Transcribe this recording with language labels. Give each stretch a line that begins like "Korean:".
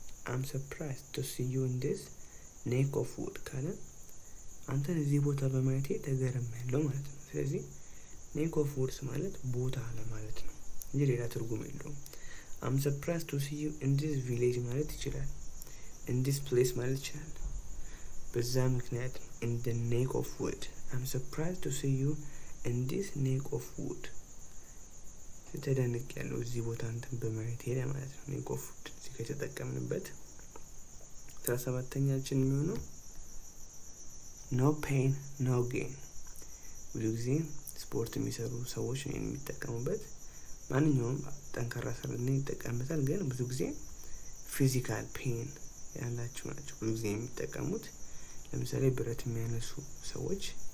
English: I'm surprised to see you in this neck of woods
Amharic: ካለ አንተን እዚህ ቦታ በማየቴ ተገርሜያለሁ ማለት ነው። ስለዚህ
English: neck of woods
Amharic: ማለት ቦታ ለማለት ነው እንጂ ሌላ ትርጉም የለውም።
English: I'm surprised to see you in this village
Amharic: ማለት ይችላል።
English: In this place
Amharic: ማለት ይችላል። በዛ ምክንያት
English: in the neck of wood. I'm surprised to see you in this neck of wood.
Amharic: ስትደንቅ ያለው እዚህ ቦታ እንትን በማየት ሄደ ማለት ነው።
English: neck of wood
Amharic: ሲከተጠቀምንበት 17ኛችን የሚሆነው
English: no pain no gain።
Amharic: ብዙ ጊዜ ስፖርት የሚሰሩ ሰዎች ነው የሚጠቀሙበት። ማንኛውም ጠንካራ ሰውነት ይጠቀምበታል፣ ግን ብዙ ጊዜ ፊዚካል ፔን ያላቸው ናቸው ብዙ ጊዜ የሚጠቀሙት። ለምሳሌ ብረት የሚያነሱ ሰዎች